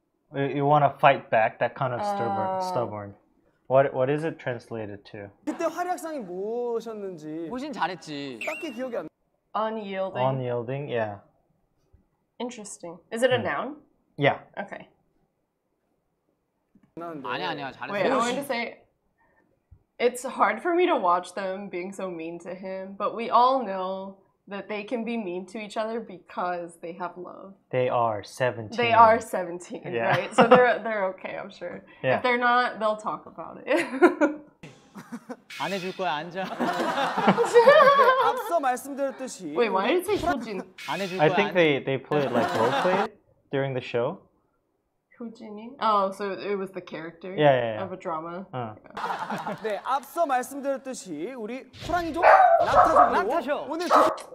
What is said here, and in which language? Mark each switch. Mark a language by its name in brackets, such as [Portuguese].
[English] You want to fight back, that kind of stubborn. What is it translated to? [Korean] 그때 활약상이 뭐셨는지. 호신 잘했지. 딱히 기억이 안 나. [English] Unyielding. Unyielding, yeah. Interesting. Is it a noun? Yeah. Okay. [Korean] 아니 아니야, 잘했어. [English] Wait, I wanted to say, it's hard for me to watch them being so mean to him, but we all know that they can be mean to each other because they have love. They are 17. They are 17, yeah. Right? So they're okay, I'm sure. Yeah. If they're not, they'll talk about it. [Korean] 안 해줄 거야, 앉아. 앞서 말씀드렸듯이. [English] Wait, why did he say 효진? [Korean] 안 해줄 거야, [English] I think they played like roleplay during the show. [Korean] 효진이? [English] Oh, so it was the character of a drama. [Korean] 네, 앞서 말씀드렸듯이 우리 호랑이족 낙타족으로 오늘 두...